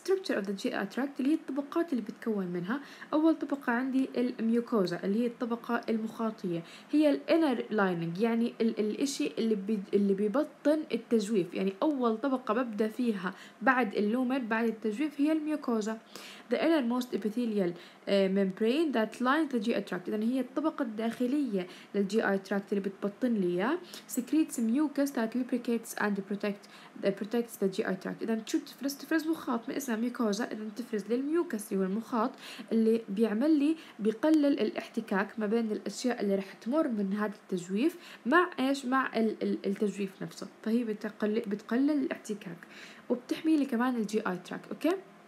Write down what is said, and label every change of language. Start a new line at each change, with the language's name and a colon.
English: structure of the GI tract
Arabic: اللي هي الطبقات اللي بتكون منها. أول طبقة عندي الميوكوزا اللي هي الطبقة المخاطية، هي الانر لايننج، يعني الإشي اللي بيبطن التجويف. يعني أول طبقة ببدأ فيها بعد اللومن، بعد التجويف، هي الميوكوزا.
English: the innermost epithelial membrane that lines the GI tract،
Arabic: إذن هي الطبقة الداخلية للGI tract اللي بتبطن لي إياه.
English: secretes mucus that lubricates and protects the GI tract.
Arabic: إذن شو تفرز؟ تفرز مخاط، ما اسمها ميكوزا، إذن تفرز للميوكس اللي هو المخاط، اللي بيعمل لي بيقلل الاحتكاك ما بين الأشياء اللي رح تمر من هذا التجويف مع إيش؟ مع التجويف نفسه، فهي بتقلل الاحتكاك وبتحمي لي كمان الGI tract. أوكي.